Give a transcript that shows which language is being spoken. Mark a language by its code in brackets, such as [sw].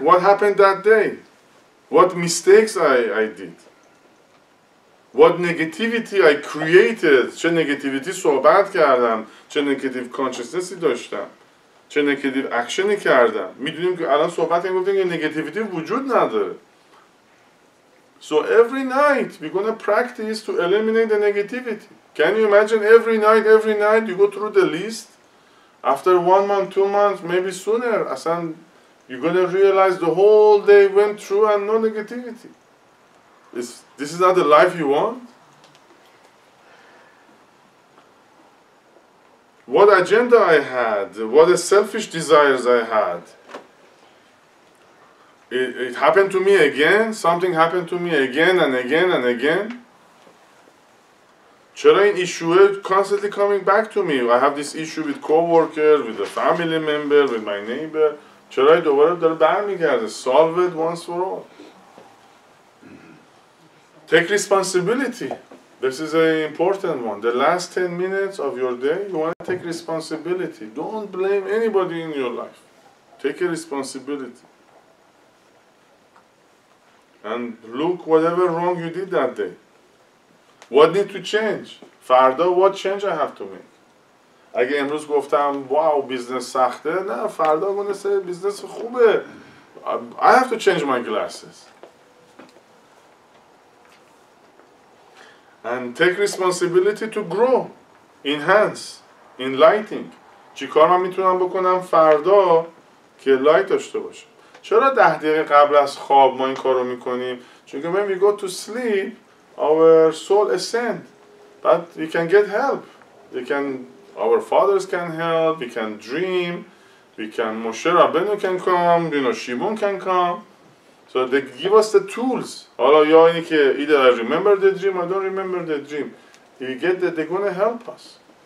[en] What happened that day? What mistakes I did? What negativity I created? [fa] چه negativity صحبت کردم؟ چه negative consciousnessی داشتم؟ چه نگتیو اکشنی کردم؟ میدونیم که الان صحبت این گفتیم که نگتیویتی وجود نداره. [en] So every night we're gonna practice to eliminate the negativity. Can you imagine every night you go through the list? After 1 month, 2 months, maybe sooner, اصلا you're gonna realize the whole day went through and no negativity. This is not the life you want? What agenda I had, what a selfish desires I had. It happened to me again, something happened to me again and again and again. [fa] چرا این [en] issue constantly coming back to me? I have this issue with co-worker, with a family member, with my neighbor. [fa] چرا دوباره داره برمیگرده؟ [en] Solve it once for all. Take responsibility. This is an important one. The last 10 minutes of your day, you want to take responsibility. Don't blame anybody in your life. Take a responsibility. And look whatever wrong you did that day. What need to change? فردا what change I have to make? [fa] اگه امروز گفتم واو بیزنس سخته، نه فردا گونه بیزنس خوبه. [en] I have to change my glasses. And take responsibility to grow, enhance, enlighten. [fa] چی کار من میتونم بکنم فردا که لایت داشته باشه؟ چرا 10 دقیقه قبل از خواب ما این کارو میکنیم؟ چون که [en] when we go to sleep, our soul ascend. But we can get help. We can, our fathers can help, we can dream, we can, Moshe Rabbeinu can come, you know, Shimon can come. So they give us the tools. [fa] حالا یا اینی که [en] either I remember the dream or I don't remember the dream. If we get that, they're going to help us.